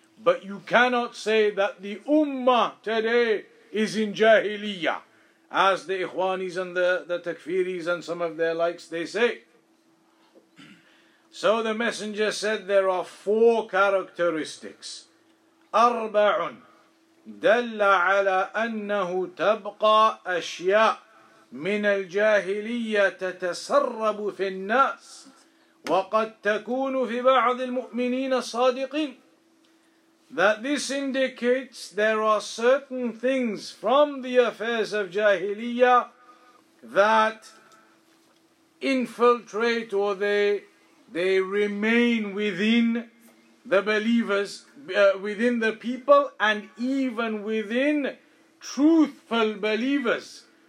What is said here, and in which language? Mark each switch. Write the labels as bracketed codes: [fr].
[en] But you cannot say that the Ummah today is in Jahiliyyah, as the Ikhwanis and the Takfiris and some of their likes, they say. So the Messenger said there are four characteristics. [ar] أربع دل على أنه تبقى أشياء من الجاهلية تتسرب في الناس وقد تكون في بعض المؤمنين الصادقين. [en] That this indicates there are certain things from the affairs of Jahiliyyah that infiltrate or they remain within the believers, within the people, and even within truthful believers.